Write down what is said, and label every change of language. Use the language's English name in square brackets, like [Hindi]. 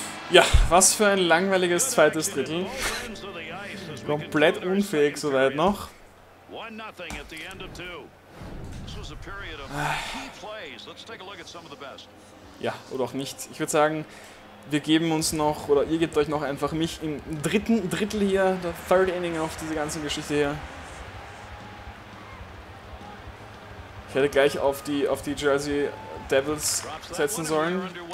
[German] Ja, was für ein langweiliges zweites Drittel. Komplett unfähig soweit noch. [English] One-nothing at the end of two. This was a period of key plays. Let's take a look at some of the best. [German] Ja, oder auch nicht. Ich würde sagen, wir geben uns noch, oder ihr gebt euch noch einfach mich im dritten Drittel hier, der Third Inning auf diese ganze Geschichte hier. Ich hätte gleich auf die Jersey Devils setzen sollen.